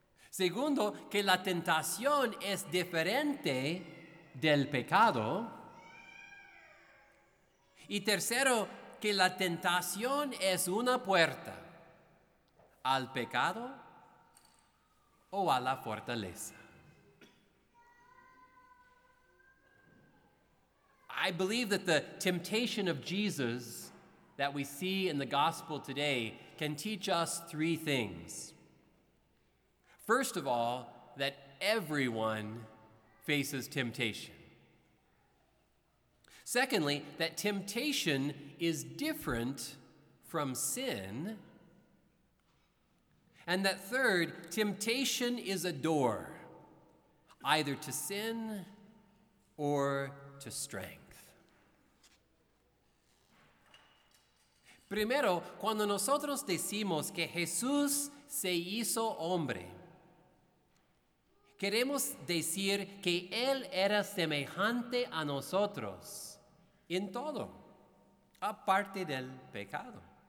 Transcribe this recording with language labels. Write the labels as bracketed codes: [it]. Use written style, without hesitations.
[es] Segundo, que la tentación es diferente del pecado. Y tercero, que la tentación es una puerta al pecado o a la fortaleza. [en] I believe that the temptation of Jesus that we see in the gospel today can teach us three things. First of all, that everyone faces temptation. Secondly, that temptation is different from sin. And that third, temptation is a door, either to sin or to strength. [es] Primero, cuando nosotros decimos que Jesús se hizo hombre, queremos decir que Él era semejante a nosotros en todo, aparte del pecado.